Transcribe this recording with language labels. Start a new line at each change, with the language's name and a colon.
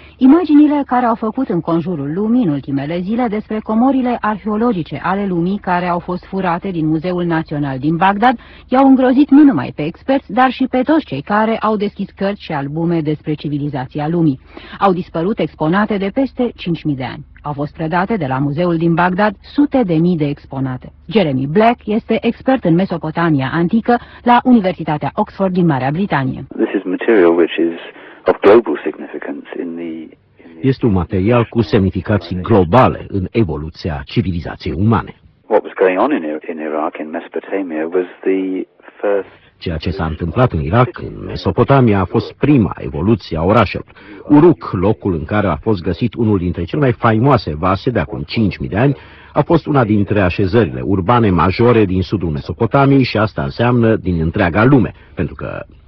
Romanian: Imaginile care au făcut în conjurul lumii în ultimele zile despre comorile arheologice ale lumii care au fost furate din Muzeul Național din Bagdad i-au îngrozit nu numai pe experți, dar și pe toți cei care au deschis cărți și albume despre civilizația lumii. Au dispărut exponate de peste 5.000 de ani. Au fost predate de la muzeul din Bagdad sute de mii de exponate. Jeremy Black este expert în Mesopotamia antică la Universitatea Oxford din Marea Britanie.
English: This is material which is of global significance in the...
Romanian: Este un material cu semnificații globale în evoluția civilizației umane.
English: What was going on in Iraq in Mesopotamia was the first...
Romanian: Ceea ce s-a întâmplat în Irak, în Mesopotamia, a fost prima evoluție a orașelor. Uruk, locul în care a fost găsit unul dintre cele mai faimoase vase de acum 5.000 de ani, a fost una dintre așezările urbane majore din sudul Mesopotamiei și asta înseamnă din întreaga lume, pentru că